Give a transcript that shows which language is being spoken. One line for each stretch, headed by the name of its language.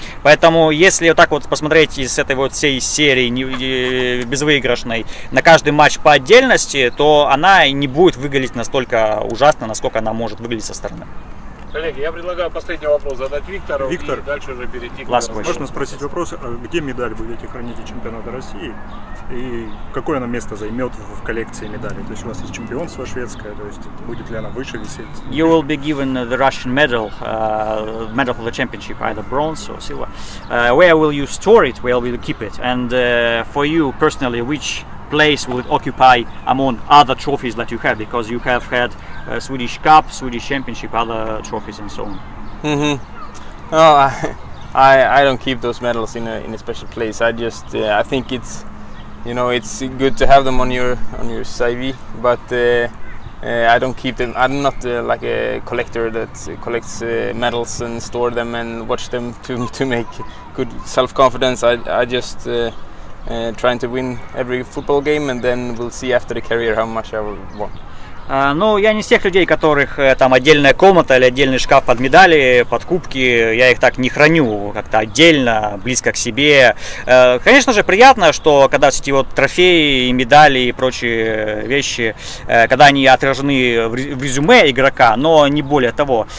Russian: Поэтому, если вот так вот посмотреть из этой вот всей серии безвыигрышной на каждый матч по отдельности, то она не будет выглядеть настолько ужасно, насколько она может выглядеть со стороны. Коллеги, я предлагаю последний вопрос задать Виктору. Виктор, и дальше уже перейти к вам. Можно спросить вопрос, а где медаль будете хранить у чемпионата России? И какое она место займет в коллекции медалей? То есть у вас есть чемпионство шведское, то есть будет ли она выше висеть?
English: You will be given the Russian medal, medal for the championship, either bronze or silver. Where will you store it? Where will you keep it? And for you personally, which place will it occupy among other trophies that you have, because you have had Swedish Cup, Swedish Championship, other trophies and so on. Mm-hmm. Oh, I don't keep those medals in a special place. I just I think it's, you know, it's good to have them on your CV, but I don't keep them. I'm not like a collector that collects medals and store them and watch them to make good self confidence. I just. Trying to win every football game, and then we'll see after the career how much I will win.
Russian: Ну, я не из тех людей, которых там отдельная комната или отдельный шкаф под медали, под кубки, я их так не храню, как-то отдельно, близко к себе. Конечно же, приятно, что когда все эти вот трофеи и медали и прочие вещи, когда они отражены в резюме игрока, но не более того.